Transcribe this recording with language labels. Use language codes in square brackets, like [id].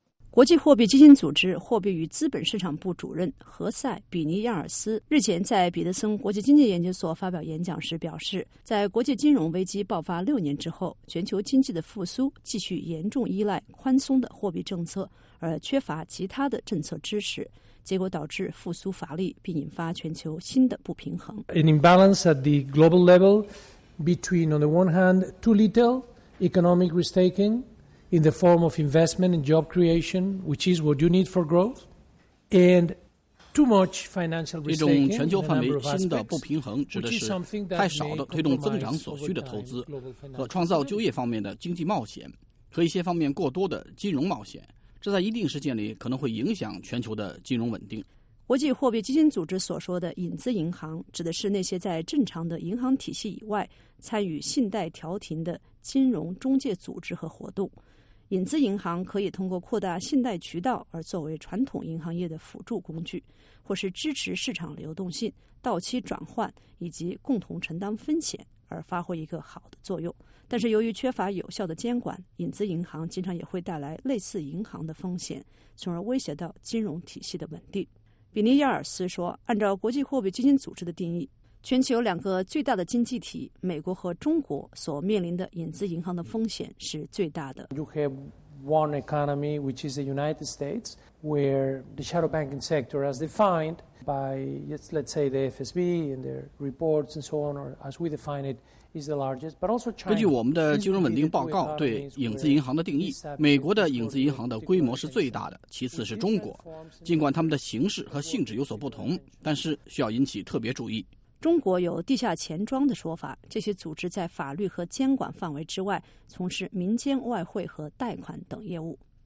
[zh] 国际货币基金组织货币与资本市场部主任何塞·比尼亚尔斯日前在彼得森国际经济研究所发表演讲时表示，在国际金融危机爆发6年之后，全球经济的复苏继续严重依赖宽松的货币政策，而缺乏其他的政策支持，结果导致复苏乏力，并引发全球新的不平衡。 [en] An imbalance at the global level between, on the one hand, too little economic risk-taking in the form of investment and job creation, which is what you need for growth, and too much financial risk-taking. [zh] 这种全球范围新的不平衡指的是太少的推动增长所需的投资和创造就业方面的经济冒险，和一些方面过多的金融冒险。这在一定时间里可能会影响全球的金融稳定。国际货币基金组织所说的影子银行指的是那些在正常的银行体系以外参与信贷调停的金融中介组织和活动。影子银行可以通过扩大信贷渠道而作为传统银行业的辅助工具，或是支持市场流动性、到期转换以及共同承担风险而发挥一个好的作用。但是由于缺乏有效的监管，影子银行经常也会带来类似银行的风险，从而威胁到金融体系的稳定。比尼亚尔斯说，按照国际货币基金组织的定义，全球两个最大的经济体，美国和中国所面临的影子银行的风险是最大的。 [en] You have one economy, which is the United States, where the shadow banking sector, as defined by, let's say, the FSB and their reports and so on, or as we define it, is the largest, but also China. [zh] 根据我们的金融稳定报告对影子银行的定义，美国的影子银行的规模是最大的，其次是中国。尽管它们的形式和性质有所不同，但是需要引起特别注意。中国有地下钱庄的说法，这些组织在法律和监管范围之外，从事民间外汇和贷款等业务。